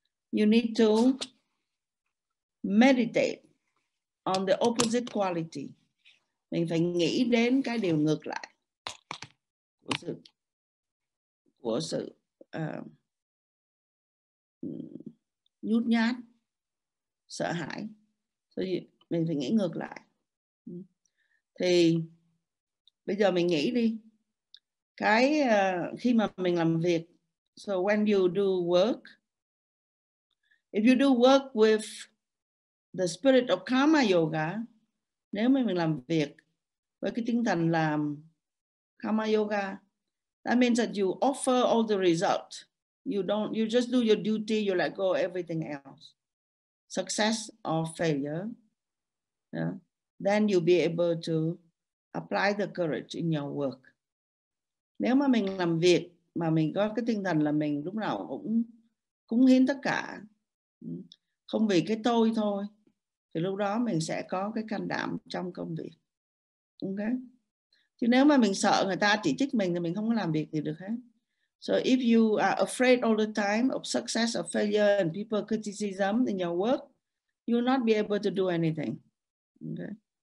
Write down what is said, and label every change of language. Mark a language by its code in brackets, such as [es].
[en] You need to meditate on the opposite quality. [vi] Mình phải nghĩ đến cái điều ngược lại của sự nhút nhát, sợ hãi. So mình phải nghĩ ngược lại. Thì bây giờ mình nghĩ đi. Cái khi mà mình làm việc, [en] so when you do work, if you do work with the spirit of karma yoga, [vi] nếu mà mình làm việc với cái tinh thần làm karma yoga, [en] that means that you offer all the result. You just do your duty, you let go of everything else. Success or failure. Yeah? Then you'll be able to apply the courage in your work. [vi] Nếu mà mình làm việc mà mình có cái tinh thần là mình lúc nào cũng cúng hiến tất cả, không vì cái tôi thôi, thì lúc đó mình sẽ có cái can đảm trong công việc. Ok? Chứ nếu mà mình sợ người ta chỉ trích mình thì mình không có làm việc gì được hết. [en] So if you are afraid all the time of success or failure and people criticism in your work, you will not be able to do anything. Okay.